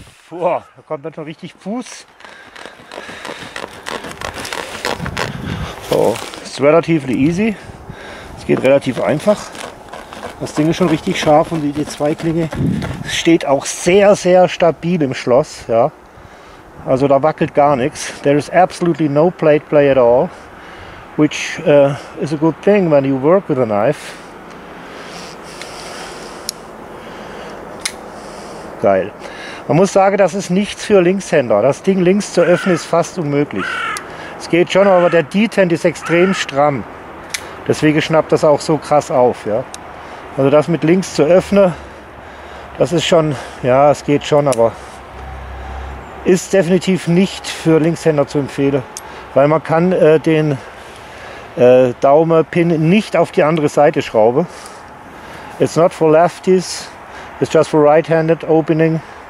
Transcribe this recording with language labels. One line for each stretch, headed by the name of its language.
German: Boah, da kommt dann schon richtig Fuß. So, ist relativ easy. Es geht relativ einfach. Das Ding ist schon richtig scharf und die Zweiklinge steht auch sehr, sehr stabil im Schloss. Ja. Also da wackelt gar nichts.
English: There is absolutely no plate play at all. Which is a good thing when you work with a knife.
German: Geil. Man muss sagen, das ist nichts für Linkshänder. Das Ding links zu öffnen ist fast unmöglich. Es geht schon, aber der Detent ist extrem stramm. Deswegen schnappt das auch so krass auf. Ja. Also das mit links zu öffnen, das ist schon, ja, es geht schon, aber ist definitiv nicht für Linkshänder zu empfehlen. Weil man kann den Daumenpin nicht auf die andere Seite schrauben.
English: It's not for lefties, it's just for right-handed opening.